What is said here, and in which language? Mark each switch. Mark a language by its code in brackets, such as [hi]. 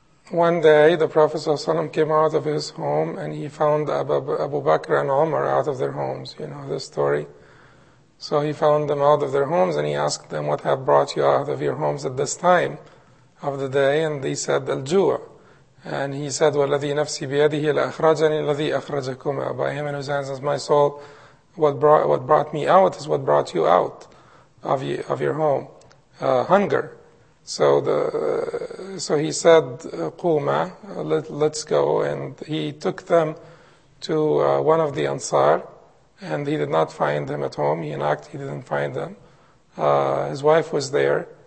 [en] One day, the Prophet ﷺ came out of his home and he found Abu Bakr and Umar out of their homes. You know this story. So he found them out of their homes and he asked them, what have brought you out of your homes at this time of the day? And they said, Al-Jua. And he said, [ar] وَالَّذِي نَفْسِي بِيَدِهِ لَأَخْرَجَنِي الَّذِي أَخْرَجَكُمَا. [en] By him and his hands is my soul. What brought me out is what brought you out of your home. Hunger. So he said, Quma, let's go. And he took them to one of the Ansar, and he did not find them at home. He knocked, he didn't find them. His wife was there.